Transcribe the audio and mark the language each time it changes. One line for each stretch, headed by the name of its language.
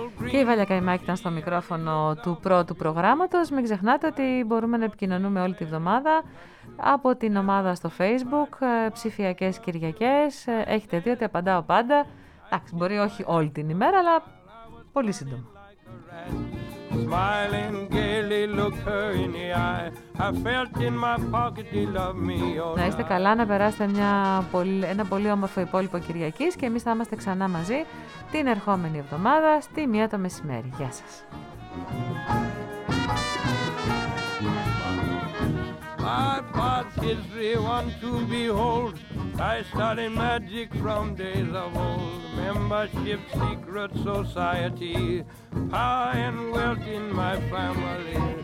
Greek: Και η Βαλιά Καϊμάκη ήταν στο μικρόφωνο του πρώτου προγράμματος. Μην ξεχνάτε ότι μπορούμε να επικοινωνούμε όλη τη βδομάδα από την ομάδα στο Facebook, ψηφιακές Κυριακές. Έχετε δει ότι απαντάω πάντα. Εντάξει, μπορεί όχι όλη την ημέρα, αλλά πολύ σύντομα.
English: Smiling gaily, look her in the eye. I felt in my pocket he loved me.
Greek: Να είστε καλά, να περάσετε ένα πολύ όμορφο υπόλοιπο Κυριακής και εμείς θα είμαστε ξανά μαζί την ερχόμενη εβδομάδα στη 1 το μεσημέρι. Γεια σας.
English: I bought history one to behold. I studied magic from days of old. Membership, secret society, power and wealth in my family.